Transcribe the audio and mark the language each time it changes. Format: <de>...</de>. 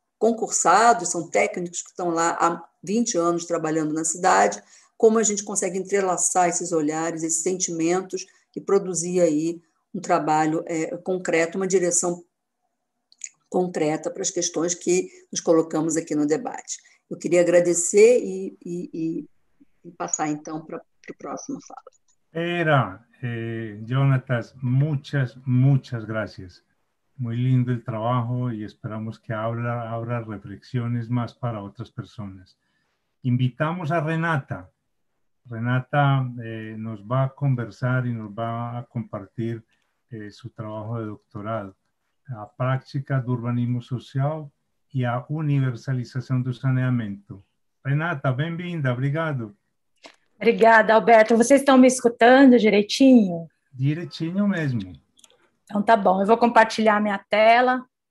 <pt>concursados, são técnicos que estão lá há 20 anos trabalhando na cidade, como a gente consegue entrelaçar esses olhares, esses sentimentos, e produzir aí um trabalho concreto, uma direção concreta para as questões que nos colocamos aqui no debate. Eu queria agradecer e passar, então, para a próxima fala.</pt> <es>Era, Jonatas, muchas, muchas gracias. Muy lindo el trabajo y esperamos que abra reflexiones más para otras personas. Invitamos a Renata. Renata nos va a conversar y nos va a compartir su trabajo de doctorado, a prácticas de urbanismo social y a universalización del saneamiento. Renata, bienvenida,</es> <pt>obrigado. Obrigada, Alberto. ¿Vocês estão me escutando direitinho? Direitinho mesmo. Então tá bom, eu vou compartilhar minha tela.</pt>